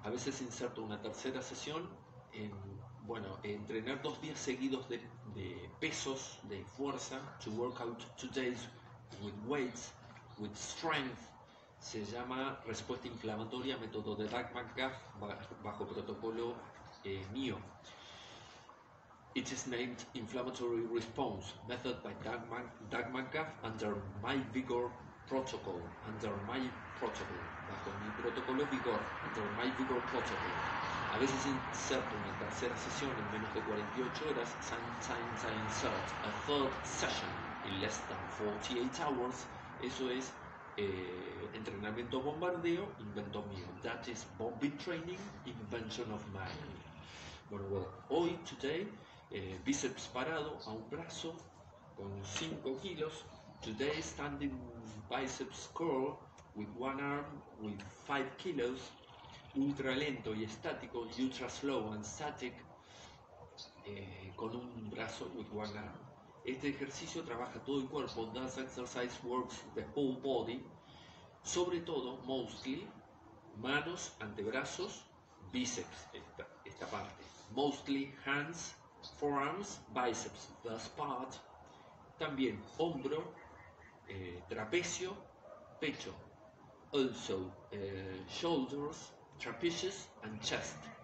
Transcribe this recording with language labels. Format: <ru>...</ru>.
<es>A veces inserto una tercera sesión en, bueno, entrenar 2 días seguidos de pesos, de fuerza,</es> <en>to work out 2 days with weights, with strength.</en> <es>Se llama respuesta inflamatoria, método de Doug McGough, bajo protocolo mío.</es> <en>It is named Inflammatory Response Method by Doug McGough under my Vigor protocol, under my protocol,</en> <es>bajo mi protocolo vigor,</es> <en>under my vigor protocol.</en> <es>A veces insert una tercera sesión en menos de 48 horas,</es> <en>sometimes I insert a third session in less than 48 hours.</en> <es>Eso es entrenamiento bombardeo, invento mío.</es> <en>That is bombing training, invention of mine.</en> <es>Bueno, hoy, today, bíceps parado a un brazo con 5 kilos.</es> <en>Today, standing biceps curl with one arm with 5 kilos.</en> <es>Ultra lento y estático,</es> <en>ultra slow and static,</en> <es>con un brazo</es> <en>with one arm.</en> <es>Este ejercicio trabaja todo el cuerpo.</es> <en>That exercise works the whole body.</en> <es>Sobre todo, mostly, manos, antebrazos, bíceps, esta parte.</es> <en>Mostly hands, forearms, biceps, this part.</en> <es>También hombro, trapecio, pecho.</es> <en>Also, shoulders, trapezius and chest.</en>